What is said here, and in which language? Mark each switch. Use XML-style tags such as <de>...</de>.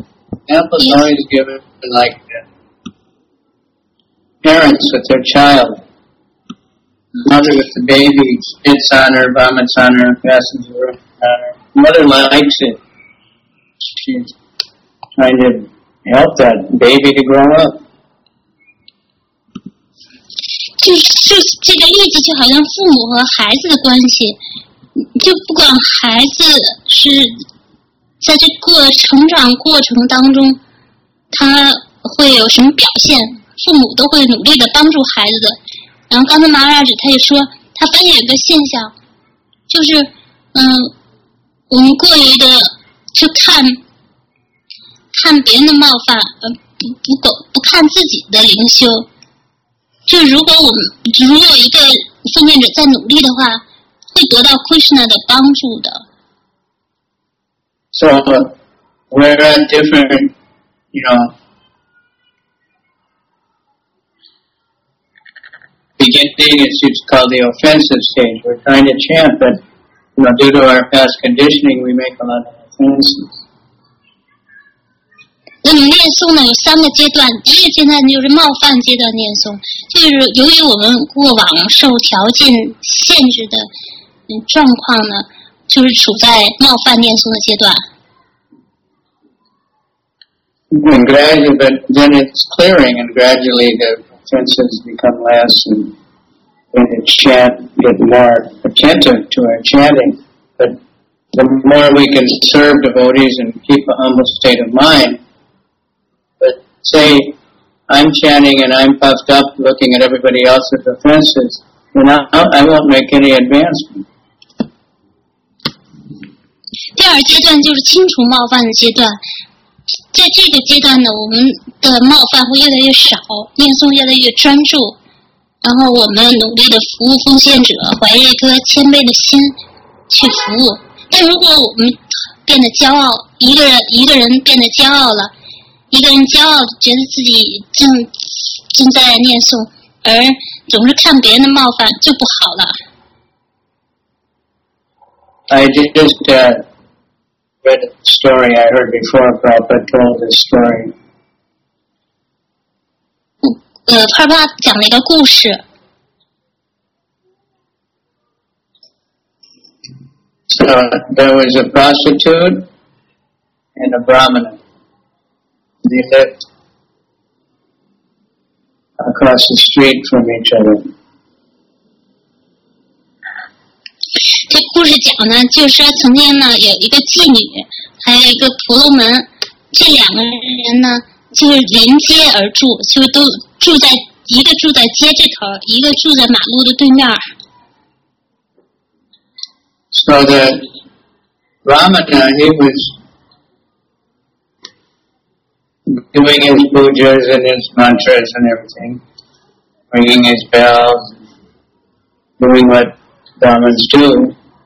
<en>Examples always given like parents with their child. Mother with the baby spits on her, vomits on her, passes her on her. Mother likes it. She's trying to help that baby to grow up.</en> <zh>就这个例子就好像父母和孩子的关系，就不管孩子是在这个成长过程当中，他会有什么表现，父母都会努力的帮助孩子。然后刚才马拉什他也说，他发现有个现象，就是我们过于的去看别人的冒犯，不看自己的灵修。就如果一个奉献者在努力的话，会得到 Krishna 的帮助的。</zh> <en>So we're a different, beginning is just called the offensive stage. We're trying to chant, but due to our past conditioning, we make a lot of offenses.</en> <zh>我们念诵呢有三个阶段，第一个阶段就是冒犯阶段念诵，就是由于我们过往受条件限制的状况呢，就是处在冒犯念诵的阶段。</zh> <en>And gradually, but then it's clearing, and gradually the offenses become less, and then the chant get more attentive to our chanting. But the more we can serve devotees and keep a humble state of mind, but say, I'm chanting and I'm puffed up looking at everybody else's offenses, then I won't make any advancement.</en> <zh>第二阶段就是清除冒犯的阶段。在这个阶段呢，我们的冒犯会越来越少，念诵越来越专注，然后我们努力的服务奉献者，怀着一颗谦卑的心去服务。但如果我们变得骄傲，一个人变得骄傲了，一个人骄傲觉得自己正在念诵，而总是看别人的冒犯，就不好了。</zh> <en>I just read a story I heard before. Prabhupada told this story.</en> <zh>Prabhupada 讲了一个故事。</zh> <en>So there was a prostitute and a brahmana. They lived across the street from each other.</en> <zh>这故事讲呢，就是说曾经呢有一个妓女，还有一个婆罗门，这两个人呢就是临街而住，就都住在一个住在街这头，一个住在马路的对面。</zh> <en>So the Ramana, he was doing his pujas and his mantras and everything, ringing his bells, doing what Brahmins do.</en>